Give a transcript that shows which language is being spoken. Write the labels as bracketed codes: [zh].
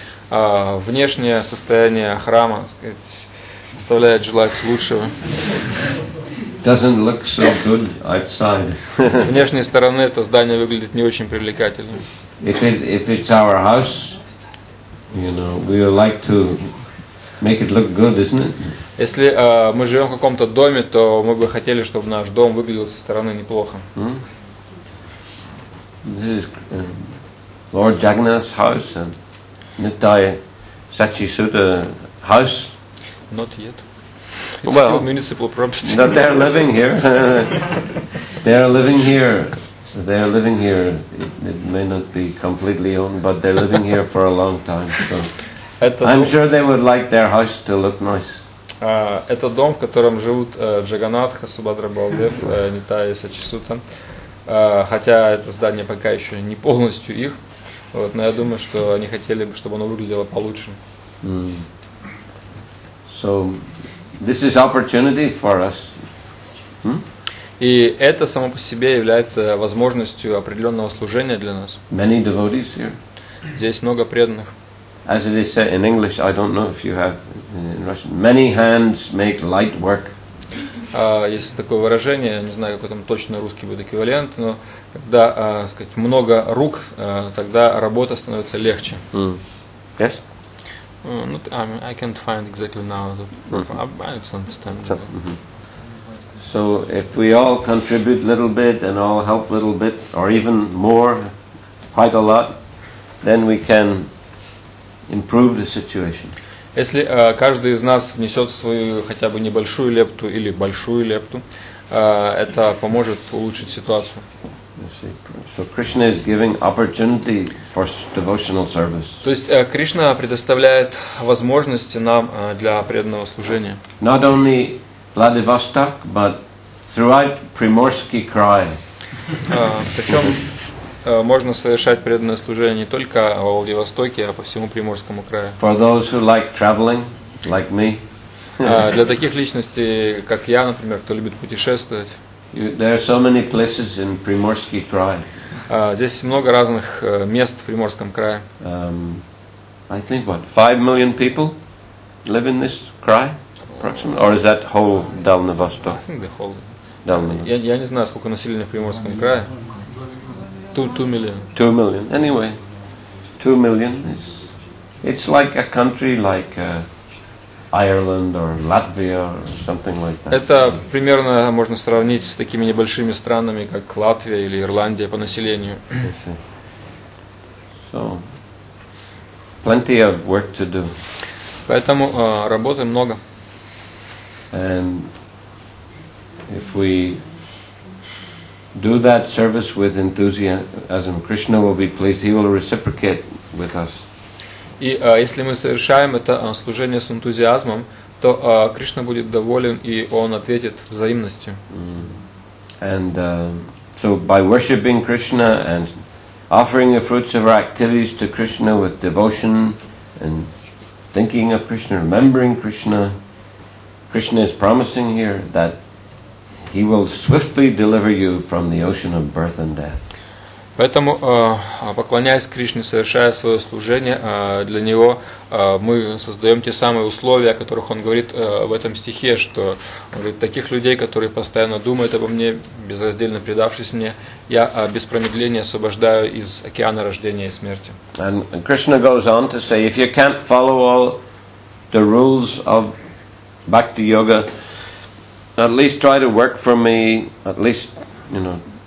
[ru] Внешнее состояние храма, так сказать, оставляет желать лучшего. [en] Doesn't look so good outside. [ru] С внешней стороны это здание выглядит не очень привлекательно. [en] If it's our house, you know, we would like to make it look good, isn't it? [ru] Если мы живем в каком-то доме, то мы бы хотели, чтобы наш дом выглядел со стороны неплохо. [en] This is Lord Jagannath's house and Nittai Satchisuta house. Not yet. It's well, still municipal property. But they are living here. They are living here. They are living here. It may not be completely owned, but they're living here for a long time. So I'm sure they would like their house to look nice. [ru] Это дом, в котором живут Джаганнатха, Субхадра Балдев, Нитая Сачисута. Хотя это здание пока еще не полностью их. Вот, но я думаю, что они хотели бы, чтобы оно выглядело получше. [en] So this is opportunity for us. [ru] И это само по себе является возможностью определенного служения для нас. [en] Many devotees here. [ru] Здесь много преданных. [en] As it is said in English, I don't know if you have in Russian. Many hands make light work. [ru] Есть такое выражение, не знаю, какой там точно русский будет эквивалент, но когда, сказать, много рук, тогда работа становится легче. [en] Yes. I can't find exactly now. I understand. So if we all contribute a little bit and all help a little bit, or even more, quite a lot, then we can improve the situation. [ru] Если каждый из нас внесет свою хотя бы небольшую лепту или большую лепту, это поможет улучшить ситуацию. [en] So Krishna is giving opportunity for devotional service. [ru] То есть Кришна предоставляет возможности нам для преданного служения. [en] Not only Vladivostok, but throughout Primorsky Krai. [ru] Причем можно совершать преданное служение не только во Владивостоке, а по всему Приморскому краю. [en] For those who like traveling, like me. [ru] Для таких личностей, как я, например, кто любит путешествовать. [en] There are so many places in Primorsky Krai. [ru] Здесь много разных мест в Приморском крае. [en] I think what 5 million people live in this Krai, approximately, or is that whole Dalnyvostok? I think the whole. Dalnyvostok. [ru] Я не знаю, сколько населения в Приморском крае. [en] Two million. 2 million. Anyway, 2 million is. It's like a country like. Ireland or Latvia or something like that. [ru] Это примерно можно сравнить с такими небольшими странами, как Латвия или Ирландия по населению. [en] So, plenty of work to do. [ru] Поэтому работы много. [en] And if we do that service with enthusiasm, Krishna will be pleased. He will reciprocate with us. [ru] И если мы совершаем это служение с энтузиазмом, то Кришна будет доволен, и Он ответит взаимностью. [en] And so by worshipping Krishna and offering the fruits of our activities to Krishna with devotion and thinking of Krishna, remembering Krishna, Krishna is promising here that He will swiftly deliver you from the ocean of birth and death. [ru] Поэтому, поклоняясь Кришне, совершая свое служение, для Него мы создаем те самые условия, о которых Он говорит в этом стихе, что говорит, таких людей, которые постоянно думают обо мне, безраздельно предавшись мне, я без промедления освобождаю из океана рождения и смерти. [en] And Krishna goes on to say, if you can't follow all the rules of Bhakti Yoga, at least try to work for me, at least, you know,